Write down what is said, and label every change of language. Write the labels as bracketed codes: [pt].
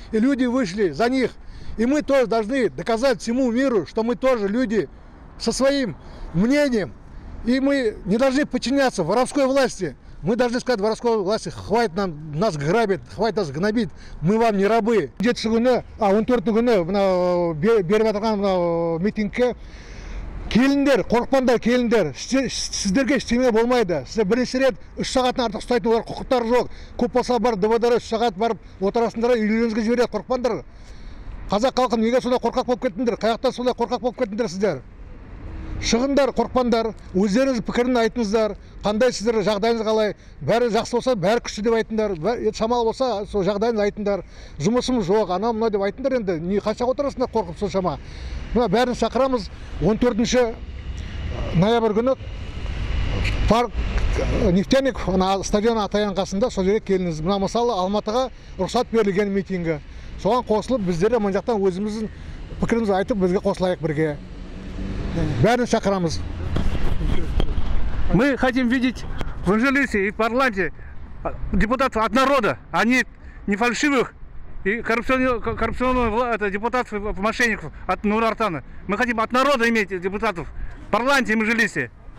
[ru] И люди вышли за них. И мы тоже должны доказать всему миру, что мы тоже люди со своим мнением. И мы не должны подчиняться воровской власти. Мы должны сказать воровской власти, хватит нам, нас грабит, хватит нас гнобить, мы вам не рабы. Где-то сегодня, а вон тут сегодня, на митинге, [kk] келіндер, қорқпандар келіндер, сіздерге істеме болмайды. Сіздер бірінші рет 3 сағаттан артық ұстайтын олар құқықтар жоқ. Көп болса бар, дыбыдары 3 сағат барып отырасындар, үйлеріңізге жібереді қорқпандар. Қазақ халқын неге сонда қорқақ болып кеттіңдер? Қаяқтан сонда қорқақ болып кеттіңдер сіздер? Шығындар, қорқпандар, өздеріңіз пікірін айтыңыздар, қандай сіздер жағдайыңыз қалай, бәрі жақсы болса, бәрі күшті деп айтыңдар, шамалы болса, сол жағдайыңыз айтыңдар, жұмысымыз жоқ, ана мұна деп айтыңдар енді, не қанша отырасыңдар қорқып сол шама. Мына бәрін шақырамыз, 14-ші ноябрь күні парк Нефтяник стадионы атайын қасында сол жерге келіңіз. Мына мысалы Алматыға рұқсат берілген митингі, соған қосылып біздер мына жақтан өзіміздің пікірімізді айтып бізге қосылайық бірге. Бәрін шақырамыз. [ru] Мы хотим видеть в Анжелисе и в парламенте депутатов от народа, а не фальшивых и коррупционных депутатов, мошенников от Нур-Артана. Мы хотим от народа иметь депутатов в парламенте и в Анжелисе.